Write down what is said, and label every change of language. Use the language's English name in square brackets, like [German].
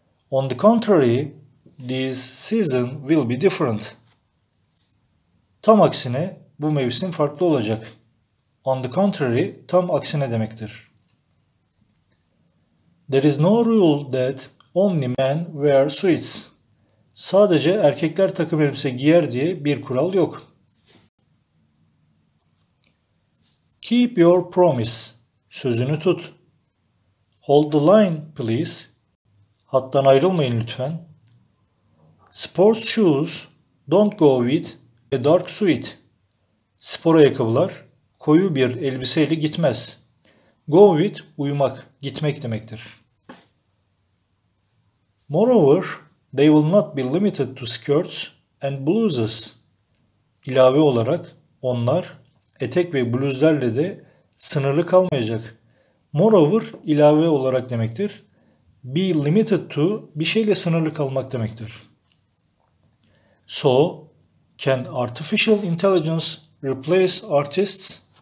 [English] On the contrary, this season will be different. [Turkish] Tam aksine bu mevsim farklı olacak. [English] On the contrary, [Turkish] tam aksine demektir. [English] There is no rule that only men wear suits. [Turkish] Sadece erkekler takım elbise giyer diye bir kural yok. [English] Keep your promise. [Turkish] Sözünü tut. [English] Hold the line, please. [Turkish] Hattan ayrılmayın lütfen. [English] Sports shoes don't go with a dark suit. [Turkish] Spor ayakkabılar koyu bir elbiseyle gitmez. [English] Go with [Turkish] uyumak, gitmek demektir. [English] Moreover, they will not be limited to skirts and blouses. [Turkish] İlave olarak onlar etek ve bluzlarla de sınırlı kalmayacak. Moreover, ilave olarak demektir. [English] Be limited to [Turkish] bir şeyle sınırlı kalmak demektir. [English] So, can artificial intelligence replace artists?